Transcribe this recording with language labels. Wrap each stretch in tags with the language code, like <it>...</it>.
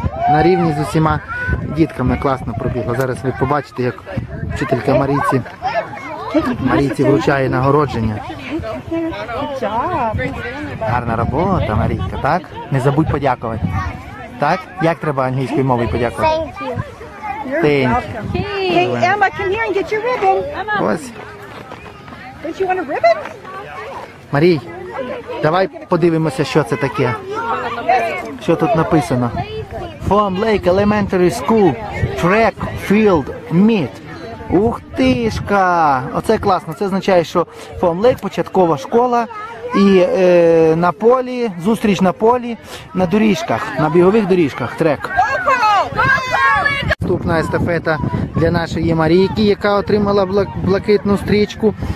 <uk>На рівні з усіма дітками класно пробігла. Зараз ви побачите, як вчителька Марійці, вручає нагородження. Гарна робота, Марійка, так? Не забудь подякувати. Так? Як треба англійською мовою подякувати?</uk> <en>Thank you. You're thank welcome. You. Hey, Emma, come here and get your ribbon. Emma.</en> <uk>Ось.</uk> <en>Don't you want a ribbon?</en> <uk>Марій, давай подивимося, що це таке. Що тут написано?</uk> <en>From Lake Elementary School, track, field, meet.</en> <uk>Ух ти шка! Оце класно. Це означає, що From Lake – початкова школа. І на полі, зустріч на полі, на доріжках, на бігових доріжках, трек. Наступна естафета для нашої Марійки, яка отримала блакитну стрічку.</uk>